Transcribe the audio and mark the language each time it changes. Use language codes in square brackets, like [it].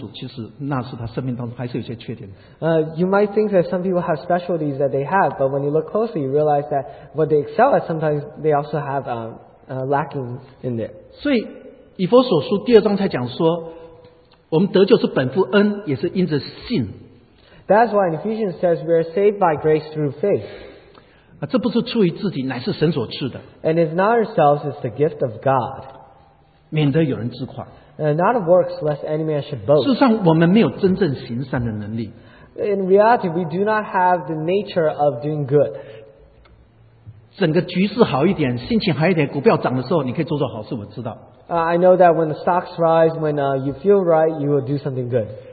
[zh] 我只是举个例子，说你很多人，你会发现很多事情。你说这个人有什么优点？事实上，你去查清楚，其实那是他生命当中还是有些缺点。 [en] You might think that some people have specialties that they have, but when you look closely, you realize that what they excel at, sometimes they also have lackings in there. [zh] 所以，以弗所书第二章才讲说，我们得救是本乎恩，也是因着信。 [en] That's why in Ephesians says we are saved by grace through faith. [zh] 这不是出于自己, 乃是神所赐的, [en] and it's not ourselves, it's the gift of God. [zh] 免得有人自夸, [en] not of works, lest any man should boast. [zh] 事实上我们没有真正行善的能力。 [en] In reality, we do not have the nature of doing good. [zh] 整个局势好一点, 心情好一点, 股票涨的时候, 你可以做做好事, 我知道。 [en] I know that when the stocks rise, when you feel right, you will do something good.